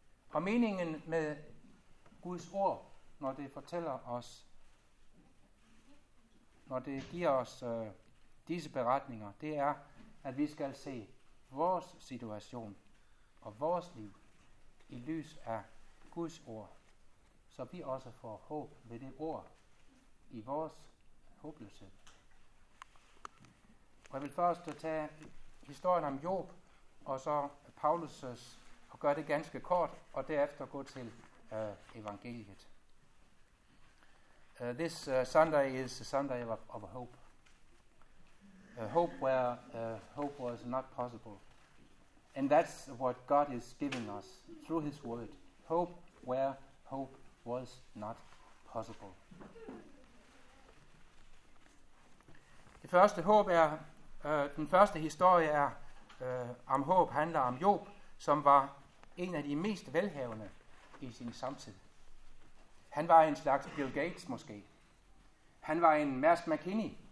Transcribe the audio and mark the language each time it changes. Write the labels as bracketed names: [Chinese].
[Danish] Og meningen med Guds ord, når det fortæller os, når det giver os disse beretninger, det er, at vi skal se vores situation og vores liv i lys af Guds ord, så vi også får håb ved det ord i vores håbløshed. Og jeg vil først tage historien om Job og så Paulus' og gøre det ganske kort, og derefter gå til evangeliet. [English] This Sunday is a Sunday of hope. A hope where hope was not possible. And that's what God is giving us through his word. Hope where hope was not possible. [Danish] Det første håb er, den første historie er, om håb handler om Job, som var en af de mest velhavende i sin samtid. Han var en slags Bill Gates måske. Han var en Mærsk McKinney.